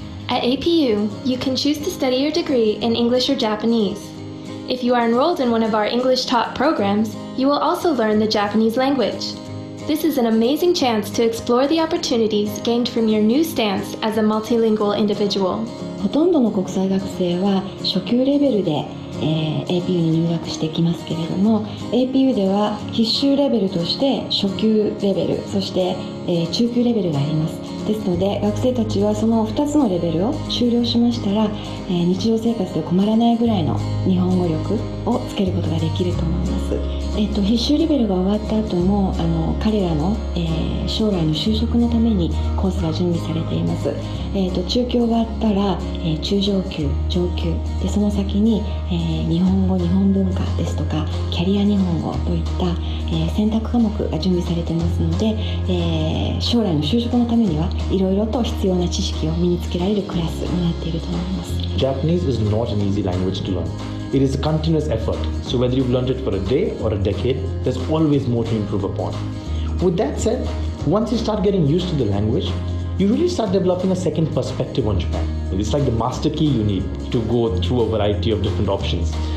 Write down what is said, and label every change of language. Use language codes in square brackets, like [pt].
[en] At APU, you can choose to study your degree in English or Japanese. If you are enrolled in one of our English taught programs, you will also learn the Japanese language. This is an amazing chance to explore the opportunities gained from your new stance as a multilingual individual. [ja] ほとんどの国際学生は初級レベルで、APU に入学してきますけれども、APU では必修レベルとして初級レベル、そして、中級レベルがあります。ですので、学生たちはその2つのレベルを修了しましたら、日常生活で困らないぐらいの日本語力をつけることができると思います。必修レベルが終わった後も、彼らの、将来の就職のためにコースが準備されています。中級があったら、中上級、上級、でその先に、日本語、日本文化ですとか、キャリア日本語といった、選択科目が準備されていますので、将来の就職のためには、いろいろと必要な知識を身につけられるクラスになっていると思います。 [en] Japanese is not an easy language to learn. It is a continuous effort, so whether you've learned it for a day or a decade, there's always more to improve upon. With that said, once you start getting used to the language, you really start developing a second perspective on Japan. It's like the master key you need to go through a variety of different options.